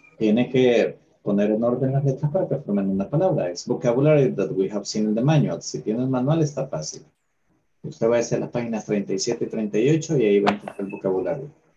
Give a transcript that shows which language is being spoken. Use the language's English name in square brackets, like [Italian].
[Spanish] Tiene que poner en orden las letras para que formen una palabra. [English] It's vocabulary that we have seen in the manual. [Spanish] Si tiene el manual, está fácil. Usted va a hacer las páginas 37 y 38 y ahí va a encontrar el vocabulario.